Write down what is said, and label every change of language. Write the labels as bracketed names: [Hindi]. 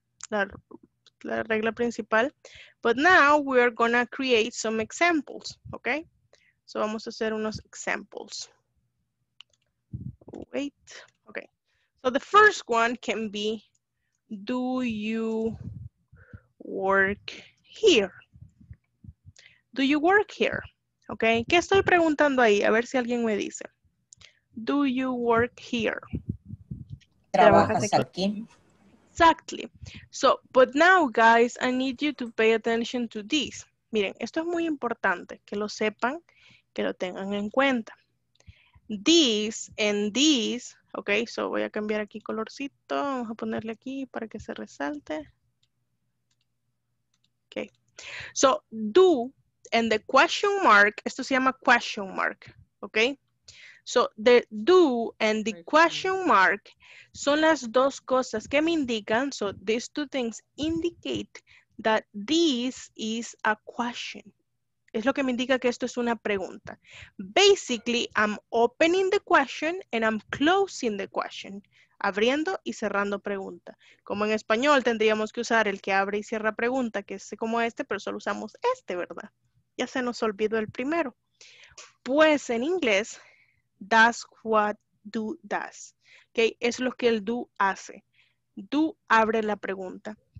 [Spanish] La regla principal. [English] But now we are going to create some examples. [Spanish] Okay? So vamos a hacer unos examples. [English] Wait. Okay. So the first one can be, do you work here? Do you work here? Okay? [Spanish] ¿Qué estoy preguntando ahí? A ver si alguien me dice. [English] Do you work here? [Spanish] ¿Trabajas aquí? [English] Exactly. So, but now, guys, I need you to pay attention to this. [Spanish] Miren, esto es muy importante que lo sepan, que lo tengan en cuenta. [English] This and this, [Spanish] ok, so voy a cambiar aquí colorcito, vamos a ponerle aquí para que se resalte. [English] Ok. So, do and the question mark, [Spanish] esto se llama [English] question mark, ok. So, the do and the question mark [Spanish] son las dos cosas que me indican. [English] So, these two things indicate that this is a question. [Spanish] Es lo que me indica que esto es una pregunta. [English] Basically, I'm opening the question and I'm closing the question. [Spanish] Abriendo y cerrando pregunta. Como en español tendríamos que usar el que abre y cierra pregunta, que es como este, pero solo usamos este, ¿verdad? Ya se nos olvidó el primero. Pues, en inglés, [English] that's what do does. [Spanish] Okay, es lo que el do hace. Do abre la pregunta.